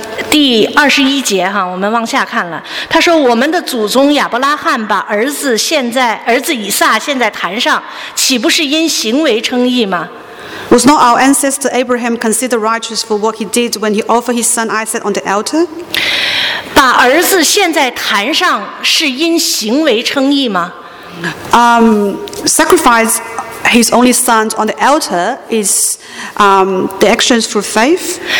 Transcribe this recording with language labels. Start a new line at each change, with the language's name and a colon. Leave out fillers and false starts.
Chinese: 第二十一节哈，我们往下看了。他说：“我们的祖宗亚伯拉罕把儿子以撒现在坛上，岂不是因行为称义吗？”
English: Was not our ancestor Abraham considered righteous for what he did when he offered his son Isaac on the altar?
Chinese: 把儿子现在坛上是因行为称义吗？
English: Sacrifice his only son on the altar is the actions for faith.